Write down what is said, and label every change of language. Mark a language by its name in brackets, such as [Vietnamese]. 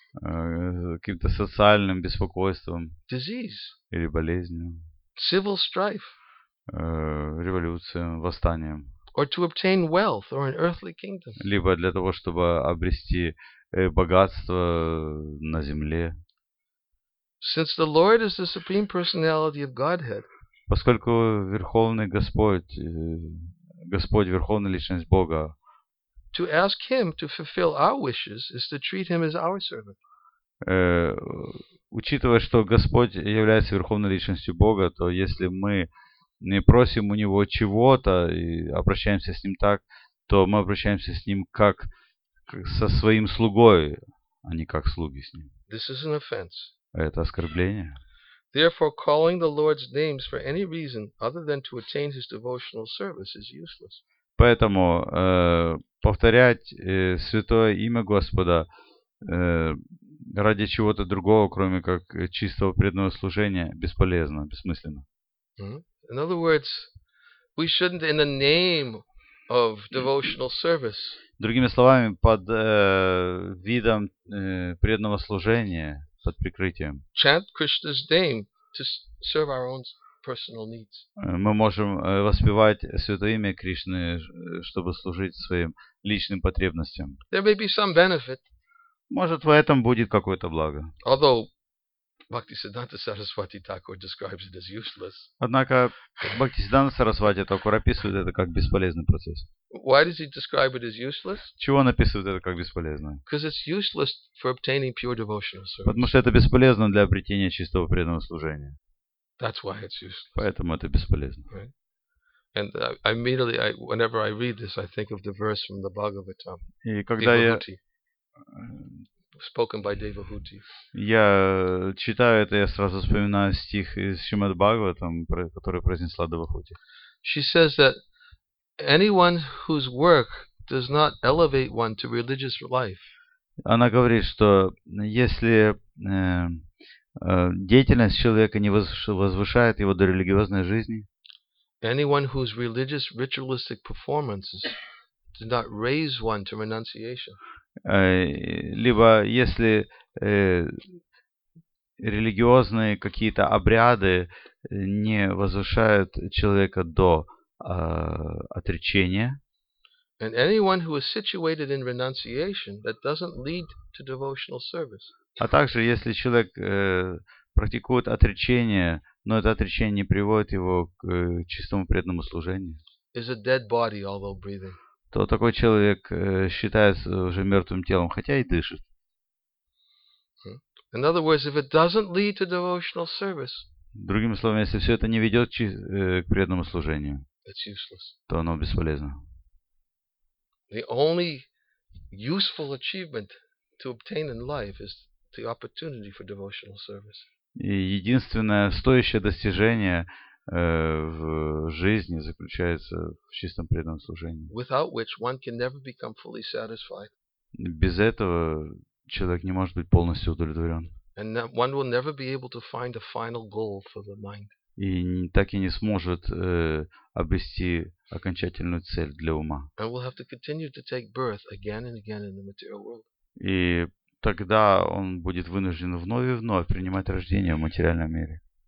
[Russian] Каким-то социальным беспокойством. [English] Disease. [Russian] Или болезнью. [English] Civil strife. [Russian] Революциям, восстанием. [English] Or to obtain wealth or an earthly kingdom. [Russian] Либо для того, чтобы обрести богатство на земле. [English] Since the Lord is the supreme personality of Godhead. [Russian] Поскольку верховный Господь, Господь верховная личность Бога. [English] To ask Him to fulfill our wishes is to treat Him as our servant. [Russian] Учитывая, что Господь является верховной личностью Бога, то если мы не просим у него чего-то и обращаемся с ним так, то мы обращаемся с ним как со своим слугой, а не как слуги с ним. [English] This is an offense. [Russian] Это оскорбление. [English] Therefore, calling the Lord's names for any reason other than to attain his devotional service is useless. [Russian] Поэтому повторять святое имя Господа ради чего-то другого, кроме как чистого преданного служения, бесполезно, бессмысленно. [English] Mm-hmm. In other words, we shouldn't, in the name of devotional service. [Russian] Другими словами, под видом преданного служения, под прикрытием. [English] Chant Krishna's name to serve our own personal needs. [Russian] Мы можем воспевать святое имя Кришны, чтобы служить своим личным потребностям. [English] There may be some benefit. [Russian] Может, в этом будет какое-то благо. [English] Bhaktisiddhanta Saraswati Thakur describes it as useless. [Russian] Однако Бхактисиддханта Сарасвати Такур описывает это как бесполезный процесс. [English] Why does he describe it as useless? [Russian] Чего он описывает это как бесполезное? [English] Because it's useless for obtaining pure devotional service. [Russian] Потому что это бесполезно для обретения чистого преданного служения. [English] That's why it's useless. [Russian] Поэтому это бесполезно. [English] Right? And I immediately, whenever I read this, I think of the verse from the Bhagavatam. [Russian] И когда [English] Bhagavati. Spoken by Devahuti. [Russian] Я читаю это, я сразу вспоминаю стих из Шримад Бхагаватам, который произнесла Девахути. [English] She says that anyone whose work does not elevate one to religious life. [Russian] Она говорит, что если деятельность человека не возвышает его до религиозной жизни. [English] Anyone whose religious ritualistic performances do not raise one to renunciation. [Russian] Либо если религиозные какие-то обряды не возвышают человека до отречения. [English] And anyone who is situated in renunciation that doesn't lead to devotional service. [Russian] А также, если человек практикует отречение, но это отречение не приводит его к чистому преданному служению. [English] Is a dead body, although breathing. [Russian] То такой человек считается уже мертвым телом, хотя и дышит. [English] In other words, if it doesn't lead to devotional service. [Russian] Другими словами, если все это не ведет к преданному служению, [English] it's useless. [Russian] То оно бесполезно. [English] The only useful achievement to obtain in life is the opportunity for devotional service. [Russian] И единственное стоящее достижение в жизни заключается в чистом преданном служении. [English] Without which one can never become fully satisfied. [Russian] Без этого человек не может быть полностью удовлетворен. [English] And one will never be able to find a final goal for the mind. [Russian] И так и не сможет обрести окончательную цель для ума. [English] And will have to continue to take birth again and again in the material world. [Russian] И тогда он будет вынужден вновь и вновь принимать рождение в материальном мире.